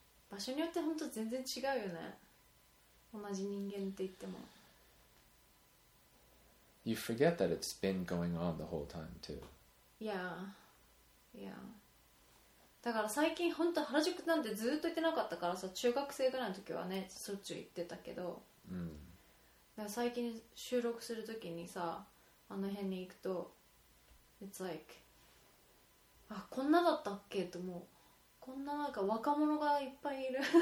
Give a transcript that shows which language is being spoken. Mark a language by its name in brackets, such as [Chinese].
[Japanese] 場所によって本当全然違うよね。同じ人間って言っても。 [English] You forget that it's been going on the whole time, too. Yeah. Yeah. [Japanese] だから最近本当原宿なんてずっと行ってなかったからさ、中学生ぐらいの時はね、そっちゅう行ってたけど。だから最近収録する時にさ、 あの辺に行くと [English] it's like [Japanese] あ、こんなだったっけ、ともうこんななんか若者がいっぱいいる。